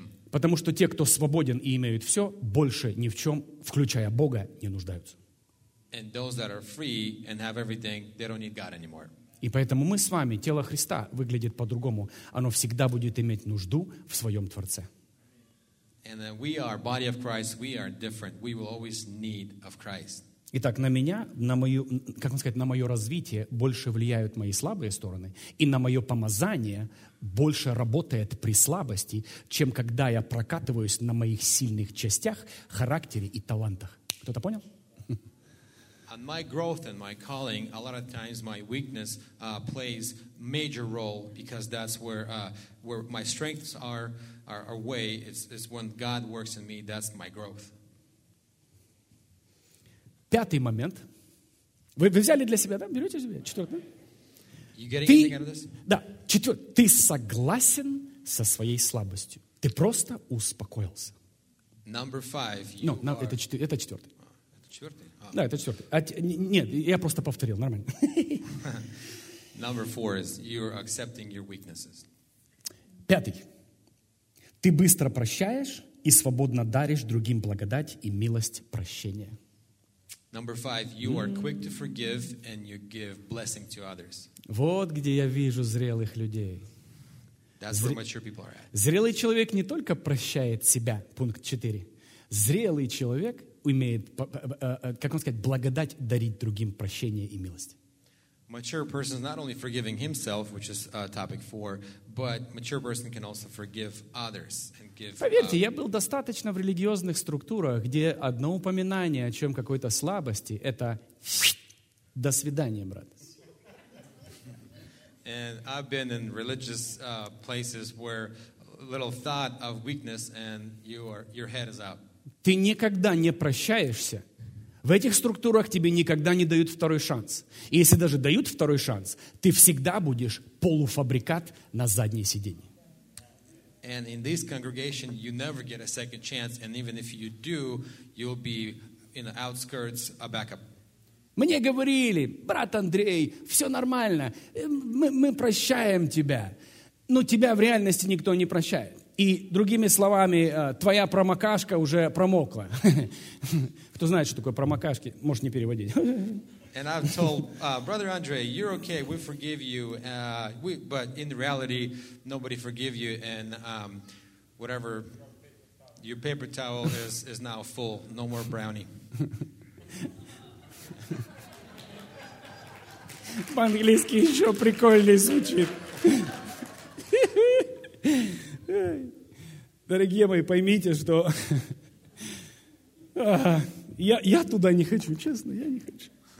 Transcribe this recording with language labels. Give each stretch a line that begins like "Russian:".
Russian: Потому что те, кто свободен и имеют все, больше ни в чем, включая Бога, не нуждаются.
English: And those that are free and have everything, they don't need God anymore.
Russian: И поэтому мы с вами, тело Христа, выглядит по-другому. Оно всегда будет иметь нужду в своем Творце.
English: And then we are body of Christ, we are different. We will always need of Christ.
Russian: Итак, на меня, на мою, как вам сказать, на мое развитие больше влияют мои слабые стороны, и на мое помазание больше работает при слабости, чем когда я прокатываюсь на моих сильных частях, характере и талантах. Кто-то понял?
English: On my growth and my calling, a lot of times my weakness plays major role because that's where my strengths are way. It's when God works in me, that's my growth.
Russian: Пятый момент. Вы взяли для себя, да? Берете себе? Четвертый.
English: You getting anything out of this?
Russian: Да. Четвертый. Ты согласен со своей слабостью. Ты просто успокоился.
English: Number five.
Russian: Это четвертый. Четвертый? Да, это четвертый. Нет, я просто повторил, нормально.
English: Number four is you're accepting your weaknesses.
Russian: Пятый. Ты быстро прощаешь и свободно даришь другим благодать и милость прощения.
English: Number five, you are quick to forgive and you give blessing to others.
Russian: Вот где я вижу зрелых людей.
English: That's where mature people are at.
Russian: Зрелый человек не только прощает себя, пункт 4. Зрелый человек умеет, как вам сказать, благодать дарить другим прощение и милость.
English: Mature person is not only forgiving himself, which is topic 4, but mature person can also forgive others and give.
Russian: Поверьте, я был достаточно в религиозных структурах, где одно упоминание о чем какой-то слабости — это до свидания, брат.
English: And I've been in religious places where little thought of weakness and your head is up.
Russian: Ты никогда не прощаешься. В этих структурах тебе никогда не дают второй шанс. И если даже дают второй шанс, ты всегда будешь полуфабрикат на заднее сиденье.
English: And in this congregation you never get a second chance, and even if you do, you'll be in the outskirts, a backup.
Russian: Мне говорили, брат Андрей, все нормально, мы прощаем тебя. Но тебя в реальности никто не прощает. И другими словами, твоя промокашка уже промокла. Кто знает, что такое промокашки, можешь не переводить.
English: And I've told, brother Andre, you're okay, we forgive you, but in reality, nobody forgive you, and whatever, your paper towel is now full, no more brownie.
Russian: По-английски еще прикольнее звучит. Дорогие мои, поймите, что я туда не хочу, честно, я не хочу.